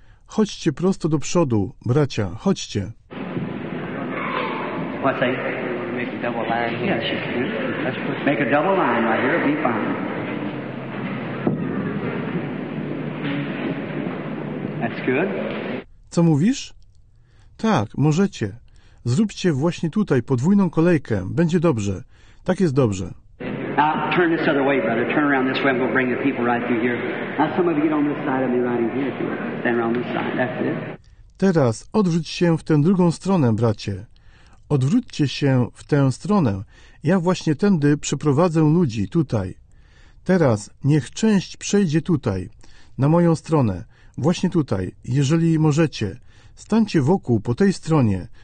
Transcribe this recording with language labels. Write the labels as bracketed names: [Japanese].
[Polish] Chodźcie prosto do przodu, bracia. Chodźcie. [English] What's that? Make a double line here. Yes, you can. Make a double line right here. Be fine. That's good. [Polish] Co mówisz? Tak, możecie. Zróbcie właśnie tutaj podwójną kolejkę. Będzie dobrze. Tak jest dobrze. [English] Now, turn this other way, brother. Turn around this way. I'm going to bring the people right through here. Now, some of you get on this side of me right here. Stand around this side. That's it. [Polish] Teraz odwróć się w tę drugą stronę, bracie. Odwróćcie się w tę stronę. Ja właśnie tędy przeprowadzę ludzi tutaj. Teraz niech część przejdzie tutaj, na moją stronę. Właśnie tutaj, jeżeli możecie. Stańcie wokół po tej stronie.